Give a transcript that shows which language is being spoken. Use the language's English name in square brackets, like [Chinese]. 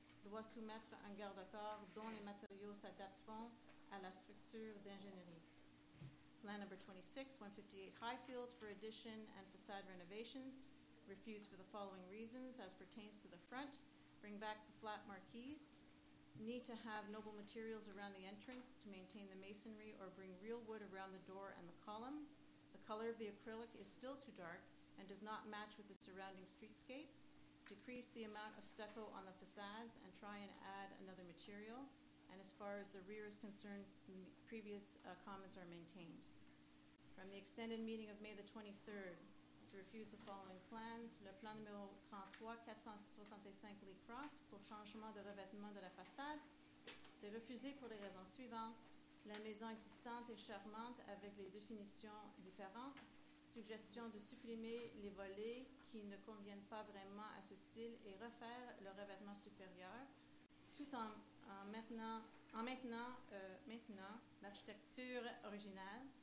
[French] Doit soumettre un garde-corps dont les matériaux s'adapteront à la structure d'ingénierie. [English] Plan number 26-158 Highfield for addition and facade renovations. Refused for the following reasons as pertains to the front. Bring back the flat marquees. Need to have noble materials around the entrance to maintain the masonry or bring real wood around the door and the column. The color of the acrylic is still too dark and does not match with the surrounding streetscape. Decrease the amount of stucco on the facades and try and add another material. And as far as the rear is concerned, previous comments are maintained. From the extended meeting of May the 23rd, to refuse the following plans. [French] Le plan numéro 33-465 Lee Cross pour changement de revêtement de la façade. C'est refusé pour les raisons suivantes. La maison existante est charmante avec les définitions différentes. Suggestion de supprimer les volets qui ne conviennent pas vraiment à ce style et refaire le revêtement supérieur tout en maintenant l'architecture originale.